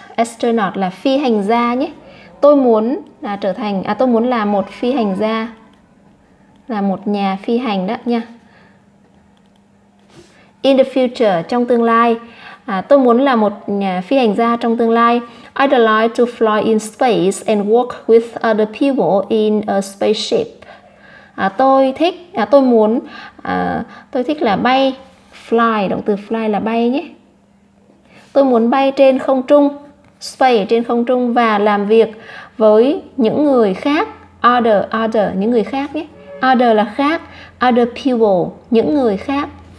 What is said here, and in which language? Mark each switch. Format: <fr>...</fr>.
<vi>Astronaut là phi hành gia nhé. Tôi muốn là trở thành, tôi muốn là một phi hành gia. Là một nhà phi hành đó nha.</vi> <en>In the future,</en> <vi>trong tương lai. Tôi muốn là một nhà phi hành gia trong tương lai.</vi> <en>I'd like to fly in space and work with other people in a spaceship.</en> <vi>Tôi thích là bay. Fly, động từ fly là bay nhé. Tôi muốn bay trên không trung. Space, trên không trung, và làm việc với những người khác. Other, những người khác nhé. Other là khác. Other people, những người khác.</vi>